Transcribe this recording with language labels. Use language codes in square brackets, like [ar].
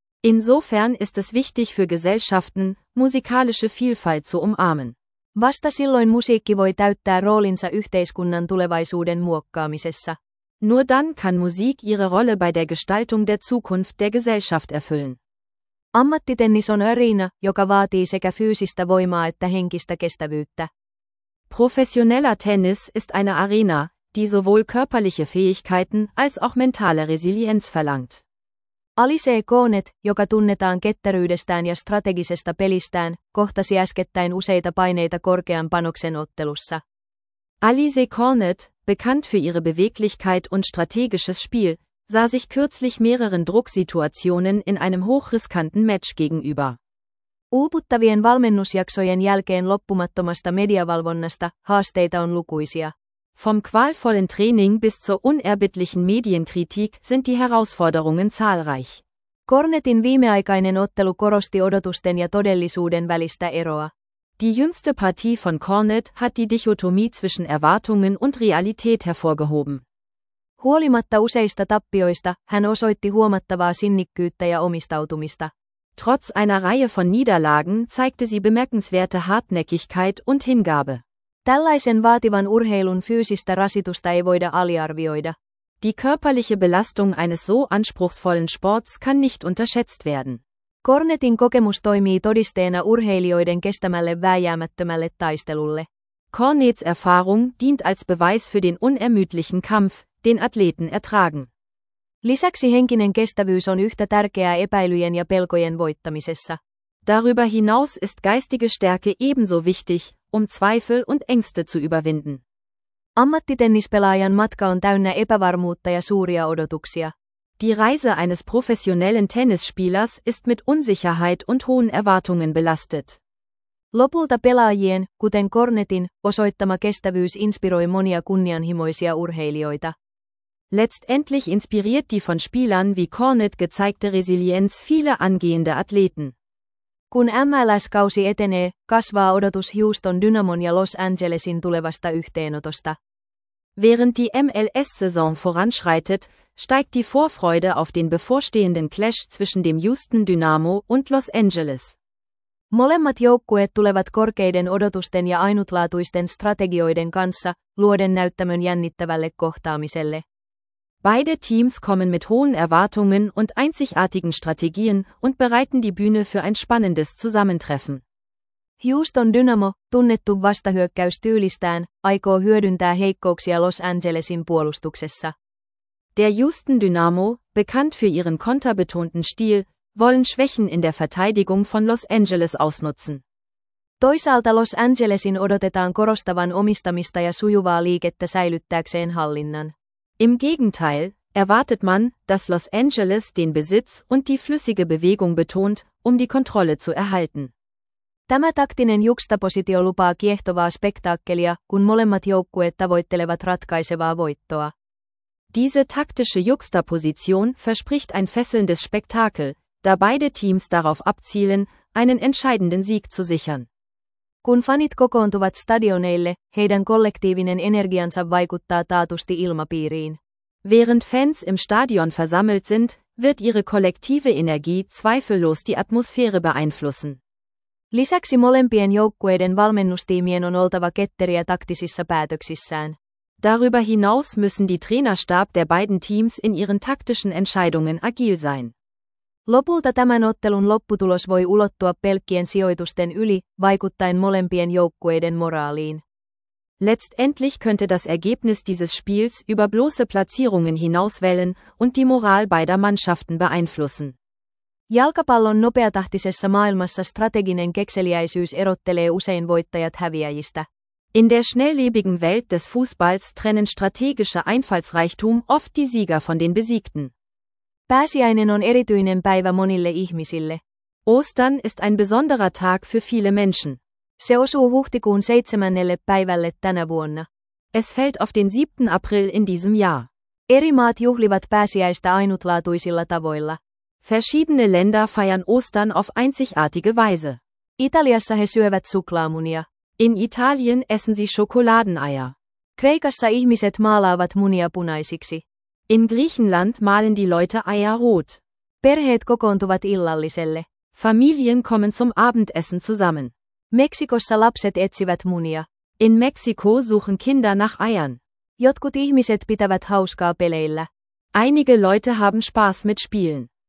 [de] Insofern ist es wichtig für Gesellschaften, musikalische Vielfalt zu umarmen. [fi] Vasta silloin musiikki voi täyttää roolinsa yhteiskunnan tulevaisuuden muokkaamisessa. [de] Nur dann kann Musik ihre Rolle bei der Gestaltung der Zukunft der Gesellschaft erfüllen. [fi] Ammattitennis on arena, joka vaatii sekä fyysistä voimaa että henkistä kestävyyttä. [de] Professioneller Tennis ist eine Arena, die sowohl körperliche Fähigkeiten als auch mentale Resilienz verlangt. [fi] Alice Koonet, joka tunnetaan ketteryydestään ja strategisesta pelistään, kohtasi äskettäin useita paineita korkean panoksen ottelussa. [de] Alice Koonet, bekannt für ihre Beweglichkeit und strategisches Spiel, sah sich kürzlich mehreren Drucksituationen in einem hochriskanten Match gegenüber. [fi] Uuputtavien valmennusjaksojen jälkeen loppumattomasta mediavalvonnasta haasteita on lukuisia. [de] Vom qualvollen Training bis zur unerbittlichen Medienkritik sind die Herausforderungen zahlreich. [fi] Cornetin viimeaikainen ottelu korosti odotusten ja todellisuuden välistä eroa. [de] Die jüngste Partie von Cornet hat die Dichotomie zwischen Erwartungen und Realität hervorgehoben. [fi] Huolimatta useista tappioista, hän osoitti huomattavaa sinnikkyyttä ja omistautumista. [de] Trotz einer Reihe von Niederlagen zeigte sie bemerkenswerte Hartnäckigkeit und Hingabe. [fi] Tällaisen vaativan urheilun fyysistä rasitusta ei voida aliarvioida. [de] Die körperliche Belastung eines so anspruchsvollen Sports kann nicht unterschätzt werden. [fi] Cornetin kokemus toimii todisteena urheilijoiden kestämälle vääjäämättömälle taistelulle. [de] Cornets Erfahrung dient als Beweis für den unermüdlichen Kampf, den Athleten ertragen. [fi] Lisäksi henkinen kestävyys on yhtä tärkeää epäilyjen ja pelkojen voittamisessa. [de] Darüber hinaus ist geistige Stärke ebenso wichtig, um Zweifel und Ängste zu überwinden. [fi] Ammattitennispelaajan matka on täynnä epävarmuutta ja suuria odotuksia. [de] Die Reise eines professionellen Tennisspielers ist mit Unsicherheit und hohen Erwartungen belastet. [fi] Lopulta pelaajien, kuten Cornetin, osoittama kestävyys inspiroi monia kunnianhimoisia urheilijoita. [de] Letztendlich inspiriert die von Spielern wie Cornet gezeigte Resilienz viele angehende Athleten. [fi] Kun MLS-kausi etenee, kasvaa odotus Houston Dynamon ja Los Angelesin tulevasta yhteenotosta. [de] Während die MLS-Saison voranschreitet, steigt die Vorfreude auf den bevorstehenden Clash zwischen dem Houston Dynamo und Los Angeles. [fi] Molemmat joukkueet tulevat korkeiden odotusten ja ainutlaatuisten strategioiden kanssa, luoden näyttämön jännittävälle kohtaamiselle. [de] Beide Teams kommen mit hohen Erwartungen und einzigartigen Strategien und bereiten die Bühne für ein spannendes Zusammentreffen. [fi] Houston Dynamo, tunnettu vastahyökkäystyylistään, aikoo hyödyntää heikkouksia Los Angelesin puolustuksessa. [de] Der Houston Dynamo, bekannt für ihren konterbetonten Stil, wollen Schwächen in der Verteidigung von Los Angeles ausnutzen. [fi] Toisaalta Los Angelesin odotetaan korostavan omistamista ja sujuvaa liikettä säilyttääkseen hallinnan. [de] Im Gegenteil, erwartet man, dass Los Angeles den Besitz und die flüssige Bewegung betont, um die Kontrolle zu erhalten. [fi] Tämä taktinen juxtapositio lupaa kiehtovaa spektaakkelia, kun molemmat joukkueet tavoittelevat ratkaisevaa voittoa. [de] Diese taktische Juxtaposition verspricht ein fesselndes Spektakel, da beide Teams darauf abzielen, einen entscheidenden Sieg zu sichern. [fi] Kun fanit kokoontuvat stadioneille, heidän kollektiivinen energiansa vaikuttaa taatusti ilmapiiriin. [de] Während Fans im Stadion versammelt sind, wird ihre kollektive Energie zweifellos die Atmosphäre beeinflussen. [fi] Lisäksi molempien joukkueiden valmennustiimien on oltava ketteriä taktisissa päätöksissään. [de] Darüber hinaus müssen die Trainerstab der beiden Teams in ihren taktischen Entscheidungen agil sein. [fi] Lopulta tämän ottelun lopputulos voi ulottua pelkkien sijoitusten yli, vaikuttaen molempien joukkueiden moraaliin. [de] Letztendlich könnte das Ergebnis dieses Spiels über bloße Platzierungen hinauswellen und die Moral beider Mannschaften beeinflussen. [fi] Jalkapallon nopeatahtisessa maailmassa strateginen kekseliäisyys erottelee usein voittajat häviäjistä. [de] In der schnelllebigen Welt des Fußballs trennen strategische Einfallsreichtum oft die Sieger von den Besiegten. [fi] Pääsiäinen on erityinen päivä monille ihmisille. [de] Ostern ist ein besonderer Tag für viele Menschen. [fi] Se osuu huhtikuun 7. päivälle tänä vuonna. [de] Es fällt auf den 7. April in diesem Jahr. [fi] Eri maat juhlivat pääsiäistä ainutlaatuisilla tavoilla. [de] Verschiedene Länder feiern Ostern auf einzigartige Weise. [fi] Italiassa he syövät suklaamunia. [de] In Italien essen sie Schokoladeneier. [fi] Kreikassa ihmiset maalaavat munia punaisiksi. [de] In Griechenland malen die Leute Eier rot. [fi] Perheet kokoontuvat illalliselle. [de] Familien kommen zum Abendessen zusammen. [fi] Meksikossa lapset etsivät munia. [de] In Mexiko suchen Kinder nach Eiern. [fi] Jotkut ihmiset pitävät hauskaa peleillä. [de] Einige Leute haben Spaß mit Spielen.